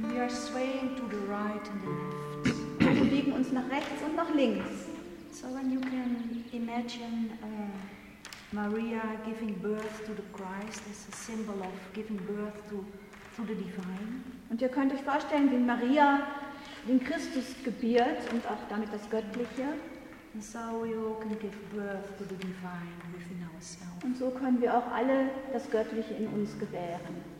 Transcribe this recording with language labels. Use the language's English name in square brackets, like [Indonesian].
[English] Swaying to the right and the left. [German] Wir bewegen uns nach rechts und nach links. [English] So then you can imagine Maria giving birth to the Christ as a symbol of giving birth to the divine. [German] Und ihr könnt euch vorstellen, wie Maria den Christus gebiert und auch damit das Göttliche. [English] And so we all can give birth to the divine within ourselves. [German] Und so können wir auch alle das Göttliche in uns gebären.